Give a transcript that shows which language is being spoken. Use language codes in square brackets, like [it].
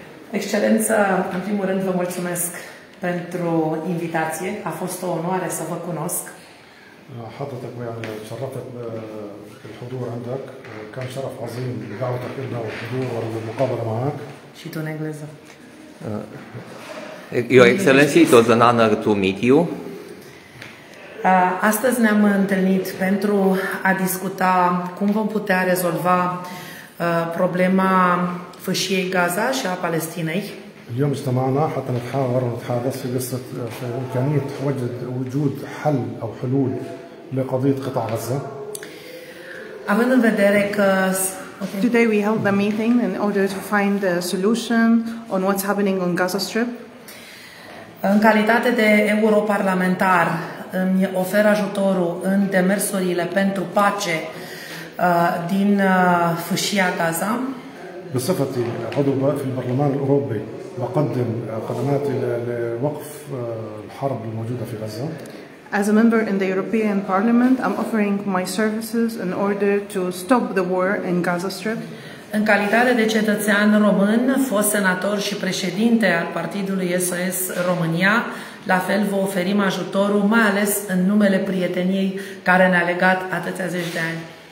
[ro] Excelență, în primul rând vă mulțumesc pentru invitație. A fost o onoare să vă cunosc. [ar] حضرتك يعني تشرفت بالحضور عندك كان شرف عظيم دعوتك لنا والحضور والمقابلة معك. [ro] Și tu în engleză. [en] Your Excellency, it was an honor to meet you. [ro] Astăzi ne-am întâlnit pentru a discuta cum vom putea rezolva problema fâșiei Gaza și a Palestinei. [ar] اليوم اجتمعنا حتى نتحاور ونتحدث في قصة في إمكانية وجود حل أو حلول لقضية قطاع غزة. [ro] Având în vedere că [en] today we held the meeting in order to find a solution on what's happening on Gaza Strip. [ro] În calitate de europarlamentar îmi ofer ajutorul în demersurile pentru pace din fâșia Gaza. [ar] بصفتي عضو في البرلمان الأوروبي بقدم قدماتي لوقف الحرب الموجودة في غزة. [en] As a member in the European Parliament, I'm offering my services in order to stop the war in Gaza Strip. [ro] În calitate de cetățean român, fost senator și președinte al partidului SOS România, la fel vă oferim ajutorul, mai ales în numele prieteniei care ne-a legat atâția zeci de ani.